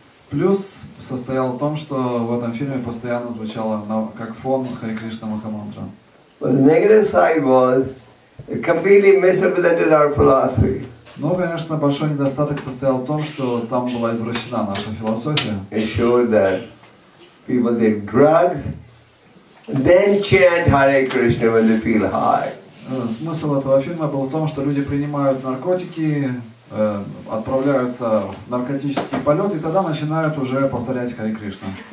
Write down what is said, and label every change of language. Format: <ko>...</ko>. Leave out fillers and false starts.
<ru>Плюс состоял в том, что в этом фильме постоянно звучала как фон Харе Кришна Махамантра.</ru> <en>It completely misrepresented our philosophy.</en> <ru>Ну, конечно, большой недостаток состоял в том, что там была извращена наша философия.</ru> <en>It showed that people take drugs, then chant Hare Krishna when they feel high.</en> <ru>Смысл этого фильма был в том, что люди принимают наркотики, отправляются в наркотический полет, и тогда начинают уже повторять Харе Кришна.</ru>